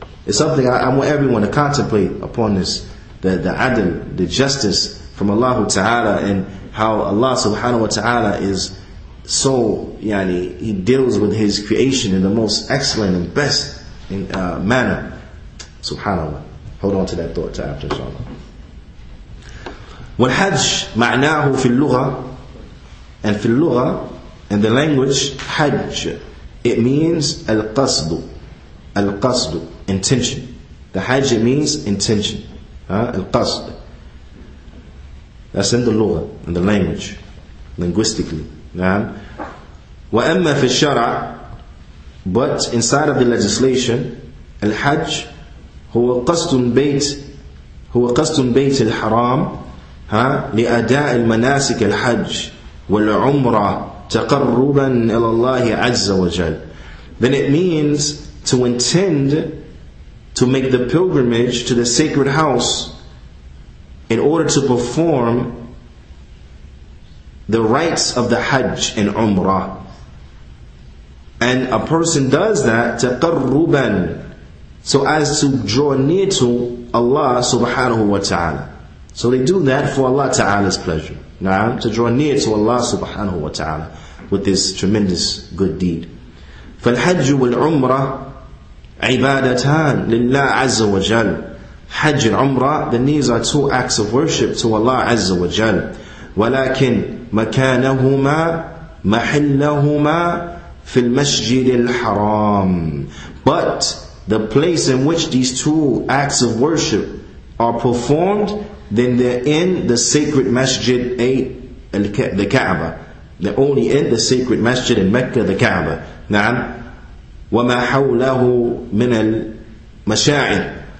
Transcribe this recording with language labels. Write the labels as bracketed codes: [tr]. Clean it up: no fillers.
[en] It's something I want everyone to contemplate upon this, the adl, the justice from Allah Ta'ala, and how Allah subhanahu wa ta'ala is so, yani, he deals with his creation in the most excellent and best in, manner. Subhanallah. Hold on to that thought to after, inshallah. [ar] والحج معناه في اللغة and في اللغة [en] in the language [ar] حج it means القصد القصد intention the حج [en] it means intention [ar] القصد [en] that's in the [ar] اللغة [en] in the language linguistically [ar] وأما في الشرع [en] but inside of the legislation [ar] الحج هو قصد بيت هو قصد بيت الحرام لأداء المناسك الحج والعمرة تقربا إلى الله عز وجل. [en] Then it means to intend to make the pilgrimage to the sacred house in order to perform the rites of the Hajj and Umrah. And a person does that [ar] تقربا [en] so as to draw near to Allah subhanahu wa ta'ala. So they do that for Allah Ta'ala's pleasure. Na'am, to draw near to Allah subhanahu wa ta'ala with this tremendous good deed. [ar] فالحج والعمرة عبادتان لله عز وجل. حج العمرة, [en] then these are two acts of worship to Allah [ar] عز وجل. ولكن مكانهما محلهما في المسجد الحرام. [en] But the place in which these two acts of worship are performed, then they're in the sacred masjid, the Kaaba. They're only in the sacred masjid in Mecca, the Kaaba. [ar] نعم. وما حوله من المشاعر.